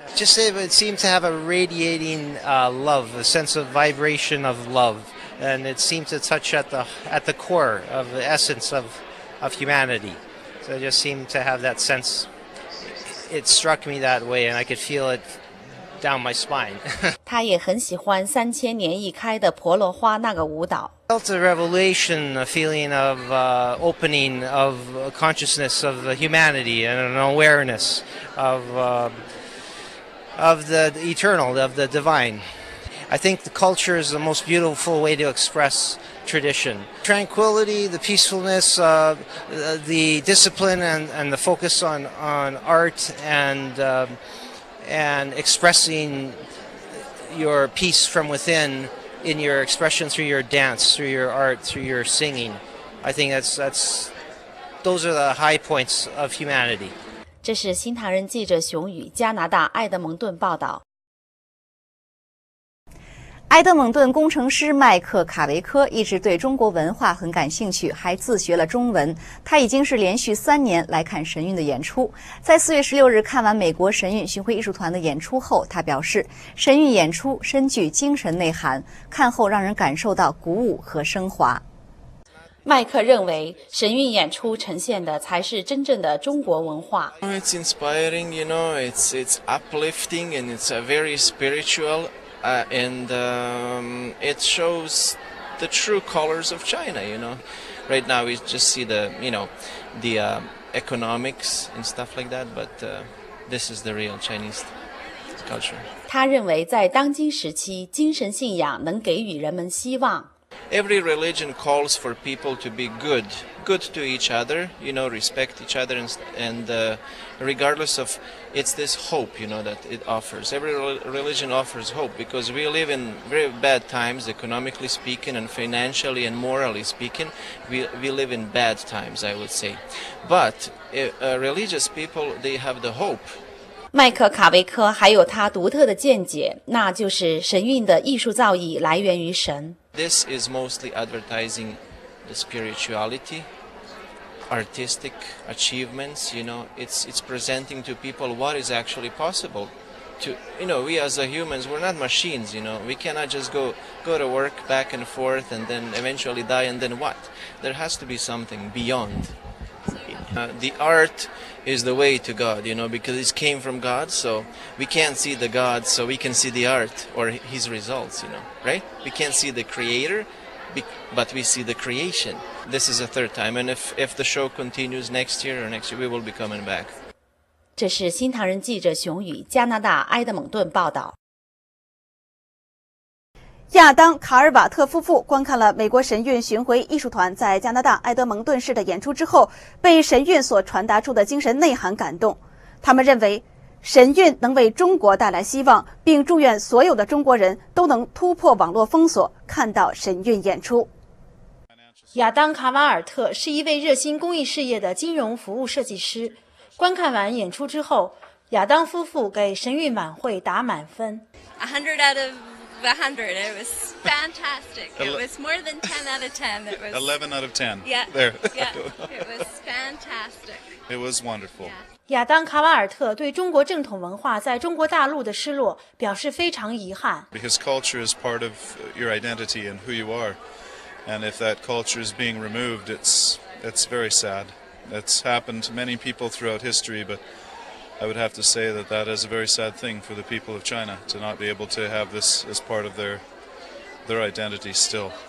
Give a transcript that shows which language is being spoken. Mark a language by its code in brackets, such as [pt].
[en] Just it seems to have a radiating love, a sense of vibration of love, and it seems to touch at the core of the essence of humanity. So it just seemed to have that sense. It struck me that way, and I could feel it. Down my spine. [zh] 他也很喜欢三千年一开的婆罗花那个舞蹈。 [en] Felt a revelation, a feeling of opening of consciousness of humanity and an awareness of the eternal, of the divine. I think the culture is the most beautiful way to express tradition. Tranquility, the peacefulness, the discipline and the focus on art and expressing your peace from within in your expression through your dance, through your art, through your singing. I think those are the high points of humanity. [zh] 这是新唐人记者熊宇加拿大爱德蒙顿报道。爱德蒙顿工程师麦克卡维科一直对中国文化很感兴趣，还自学了中文。他已经是连续三年来看神韵的演出。在4月16日看完美国神韵巡回艺术团的演出后，他表示神韵演出深具精神内涵，看后让人感受到鼓舞和升华。麦克认为神韵演出呈现的才是真正的中国文化。 [en] It's inspiring, you know, it's uplifting and it's very spiritual, it shows the true colors of China, you know. Right now we just see the economics and stuff like that, but this is the real Chinese culture. [zh] 他认为在当今时期，精神信仰能给予人们希望。 [en] Every religion calls for people to be good to each other, you know, respect each other, and regardless of, it's this hope, you know, that it offers. Every religion offers hope because we live in very bad times, economically speaking and financially and morally speaking. We live in bad times, I would say. But religious people, they have the hope. [zh] 麦克卡维科还有他独特的见解，那就是神韵的艺术造诣来源于神。 [en] This is mostly advertising the spirituality, artistic achievements. You know, it's presenting to people what is actually possible. To you know, we as humans, we're not machines. You know, we cannot just go to work back and forth and then eventually die and then what? There has to be something beyond. The art is the way to God, you know, because it came from God, so we can't see the God, so we can see the art or his results, you know, right? We can't see the creator, but we see the creation. This is the third time, and if the show continues next year, we will be coming back. [zh] 这是新唐人记者熊宇加拿大埃德蒙顿报道。亚当·卡尔瓦特夫妇观看了美国神韵巡回艺术团在加拿大埃德蒙顿市的演出之后，被神韵所传达出的精神内涵感动。他们认为神韵能为中国带来希望，并祝愿所有的中国人都能突破网络封锁，看到神韵演出。亚当·卡瓦尔特是一位热心公益事业的金融服务设计师。观看完演出之后，亚当夫妇给神韵晚会打满分。 [en] 100 out of 100. It was fantastic. It was more than 10 out of 10. It was 11 out of 10. Yeah. There. Yeah. It was fantastic. It was wonderful. [zh] 亚当·卡瓦尔特对中国正统文化在中国大陆的失落表示非常遗憾。 [en] Because culture is part of your identity and who you are. And if that culture is being removed, it's very sad. It's happened to many people throughout history, but... I would have to say that is a very sad thing for the people of China to not be able to have this as part of their identity still.